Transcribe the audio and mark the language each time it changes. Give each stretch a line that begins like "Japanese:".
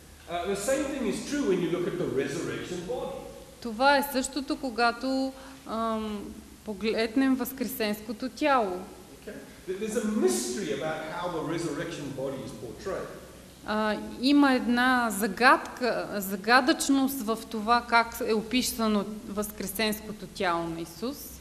English: The same thing is true when you look at the resurrection body.
Bulgarian: Това е същото, когато погледнем възкресенското тяло.
English: There's a mystery about how the resurrection body is portrayed.
Bulgarian: Има една загадка, загадъчност в това как е описано възкресенското тяло на Исус.